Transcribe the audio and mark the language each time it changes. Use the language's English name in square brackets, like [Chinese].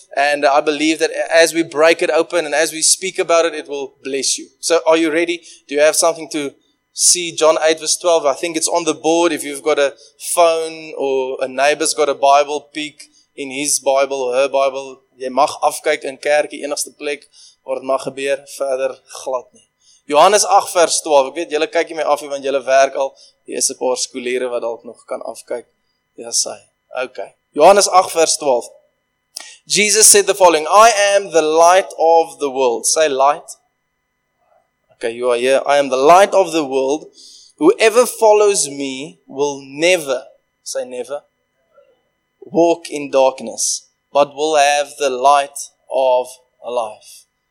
[English] And I believe that as we break it open and as we speak about it, it will bless you. So are you ready? Do you have something to see? John 8 verse 12? I think it's on the board. If you've got a phone or a neighbor's got a Bible, peek in his Bible or her Bible. [Afrikaans] Jy mag afkyk in kerk, die enigste plek waar dit mag gebeur, verder glad nie. Johannes 8 vers 12. Ek weet julle kyk nie my af nie, want julle werk al. Hier is 'n paar skoolere wat dalk nog kan afkyk. Ja, sy. Okay. Johannes 8 vers 12. [English] Jesus said the following, I am the light of the world. Say light. Okay, you are here. I am the light of the world. Whoever follows me will never, say never, walk in darkness, but will have the light of life.